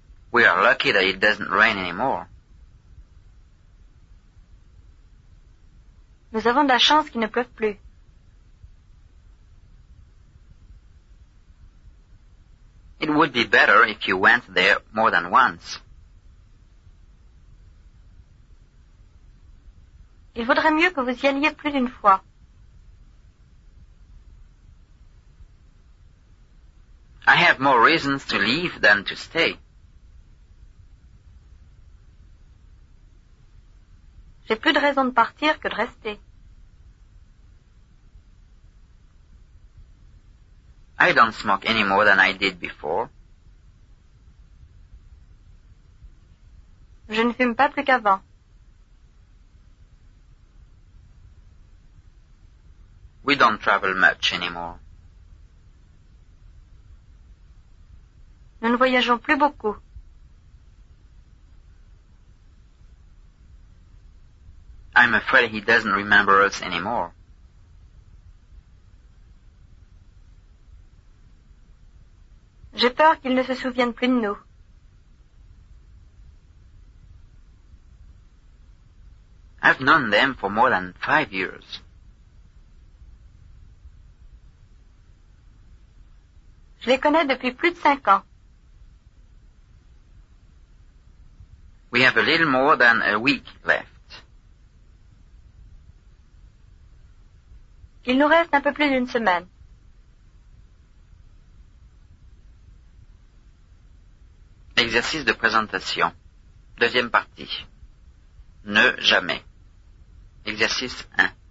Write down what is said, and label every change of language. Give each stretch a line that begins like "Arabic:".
English: We are lucky that it doesn't rain anymore.
French: Nous avons de la chance qu'il ne pleuve plus.
English: It would be better if you went there more than once.
French: Il vaudrait mieux que vous y alliez plus d'une fois.
English: I have more reasons to leave than to stay.
French: J'ai plus de raisons de partir que de rester.
English: I don't smoke any more than I did before.
French: Je ne fume pas plus qu'avant.
English: We don't travel much anymore.
French: Nous ne voyageons plus beaucoup.
English: I'm afraid he doesn't remember us anymore.
French: J'ai peur qu'il ne se souvienne plus de nous.
English: I've known them for more than 5 years.
French: Je les connais depuis plus de 5 ans.
English: We have a little more than a week left.
French: Il nous reste un peu plus d'une semaine. Exercice de présentation. Deuxième partie. Ne jamais. Exercice 1.